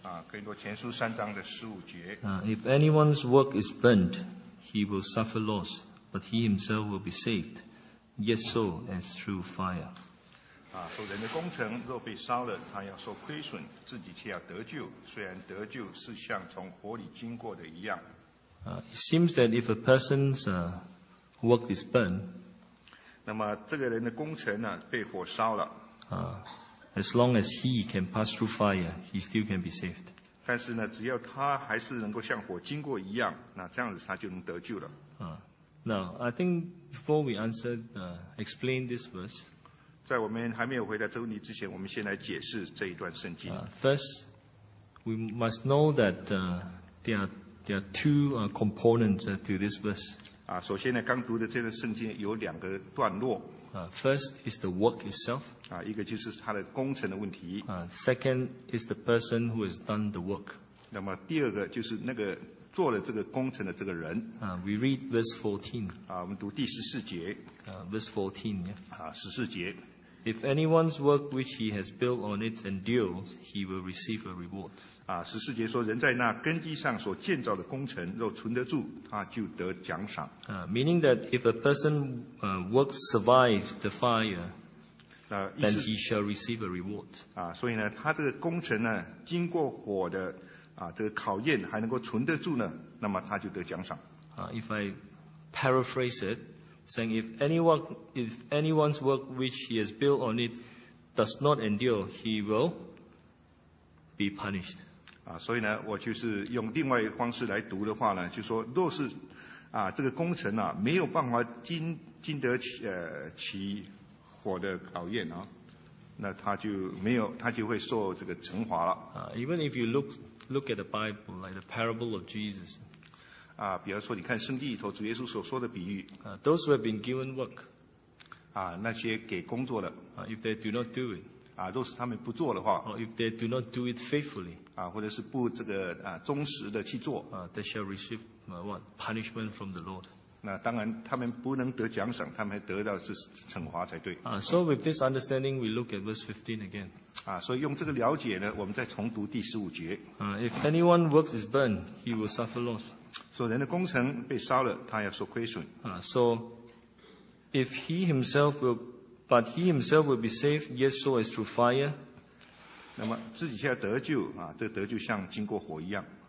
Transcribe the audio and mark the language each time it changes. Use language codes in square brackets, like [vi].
[zh] 可以读前书三章的十五节。 [en] If anyone's work is burnt, he will suffer loss, but he himself will be saved, yet so as through fire. [zh] 所人的工程若被烧了，他要受亏损，自己却要得救，虽然得救是像从火里经过的一样。 [en] It seems that if a person's work is burned, [zh] 那么这个人的工程呢被火烧了。 [en] As long as he can pass through fire, he still can be saved. [zh] 但是呢，只要他还是能够像火经过一样，那这样子他就能得救了。 [en] Now I think before we answer, explain this verse. [zh] 在我们还没有回答这个问题之前，我们先来解释这一段圣经。 [en] First, we must know that there are two components to this verse. [zh] 首先呢，刚读的这段圣经有两个段落。 [en] First is the work itself. [zh] 一个就是他的工程的问题。 [en] Second is the person who has done the work. [zh] 那么第二个就是那个做了这个工程的这个人。 [en] We read verse 14. [zh] 我们读第十四节。 [en] Verse 14, yeah. [zh] 十四节。 [en] If anyone's work which he has built on it endures, he will receive a reward. [zh] 十四节说，人在那根基上所建造的工程若存得住，他就得奖赏。 [en] Meaning that if a person work survives the fire, then he shall receive a reward. [zh] 所以呢，他这个工程呢，经过火的这个考验还能够存得住呢，那么他就得奖赏。 [en] If I paraphrase it. Saying if anyone's work which he has built on it does not endure, he will be punished. [zh] 所以呢，我就是用另外一个方式来读的话呢，就说若是这个工程啊没有办法经得起火的考验啊，那他就会受这个惩罚了。 [en] Even if you look at the Bible, like the parable of Jesus. [zh] 比方说你看圣经里头主耶稣所说的比喻。 [en] Those who have been given work. [zh] 那些给工作的。 [en] If they do not do it. [zh] 若是他们不做的话。 [en] Or if they do not do it faithfully. [zh] 或者是不这个忠实的去做。 [en] They shall receive what? Punishment from the Lord. [zh] 那当然他们不能得奖赏，他们还得到是惩罚才对。 [en] So with this understanding, we look at verse 15 again. [zh] 所以用这个了解呢，我们再重读第十五节。 [en] If anyone works is burned, he will suffer loss. [zh] 所以人的工程被烧了，他要受亏损。 [en] So if he himself will, but he himself will be saved, yet so as through fire. [zh] 那么自己却要得救啊，这得救像经过火一样。